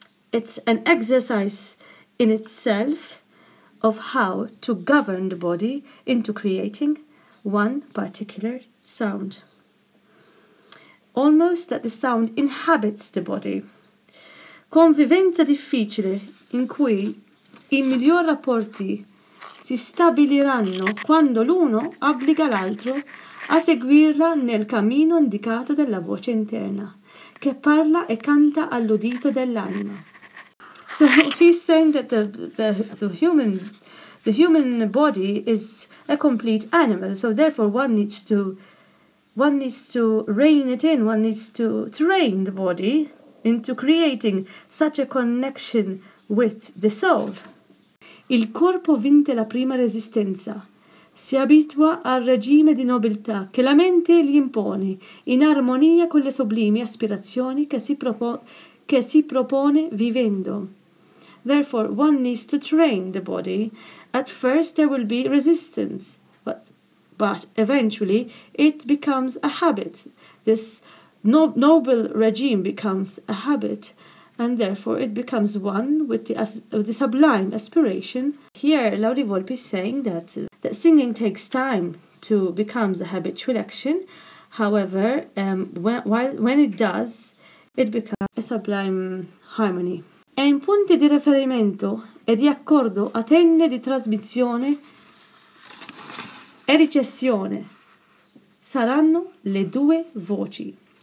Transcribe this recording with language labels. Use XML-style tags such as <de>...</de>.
<en>It's an exercise in itself of how to govern the body into creating one particular sound. Almost that the sound inhabits the body.</en> <it>Convivenza difficile in cui i migliori rapporti si stabiliranno quando l'uno obbliga l'altro a seguirla nel cammino indicato della voce interna, che parla e canta all'udito dell'anima.</it> <en>So he's saying that the human body is a complete animal, so therefore one needs to rein it in, one needs to train the body into creating such a connection with the soul.</en> <it>Il corpo vince la prima resistenza, si abitua al regime di nobiltà che la mente gli impone, in armonia con le sublimi aspirazioni che si propone vivendo.</it> <en>Therefore, one needs to train the body. At first, there will be resistance, but eventually it becomes a habit. This noble regime becomes a habit, and therefore it becomes one with the sublime aspiration. Here, Lauri Volpi is saying that singing takes time to become a habitual action. However, when it does, it becomes a sublime harmony.</en> <it>È in punti di riferimento e di accordo a tende di trasmissione e ricezione saranno le due voci.</it>